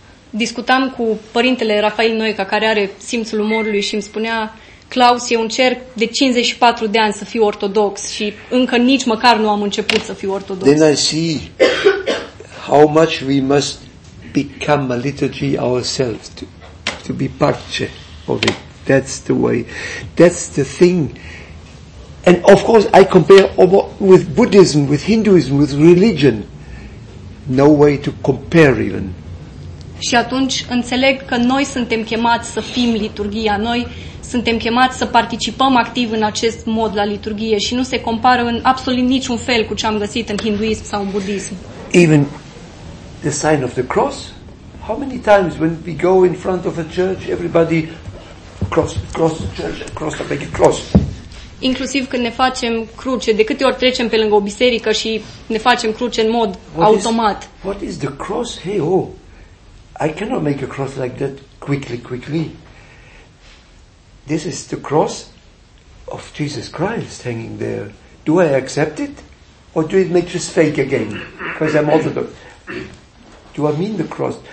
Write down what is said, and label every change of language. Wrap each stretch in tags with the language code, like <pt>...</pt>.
<ro>Discutam cu părintele Rafael Noica, care are simțul umorului, și îmi spunea, Klaus, eu încerc de 54 de ani să fiu ortodox și încă nici măcar nu am început să fiu ortodox.</ro> <en>Then I see how much we must become a liturgy ourselves to be parte of it. That's the way. That's the thing. And of course, I compare with Buddhism, with Hinduism, with religion. No way to compare even.</en> <ro>Și atunci înțeleg că noi suntem chemați să fim liturghia. Noi suntem chemați să participăm activ în acest mod la liturghie și nu se compară în absolut niciun fel cu ce am găsit în hinduism sau în budism.</ro> <en>Even the sign of the cross. How many times when we go in front of a church, everybody cross the church, cross the big cross.</en> <ro>Inclusiv când ne facem cruce, de câte ori trecem pe lângă o biserică și ne facem cruce în mod automat.</ro> <en>What is the cross? Hey, oh, I cannot make a cross like that quickly. This is the cross of Jesus Christ hanging there. Do I accept it? Or do it make this fake again? Because I'm Orthodox. Do I mean the cross?</en>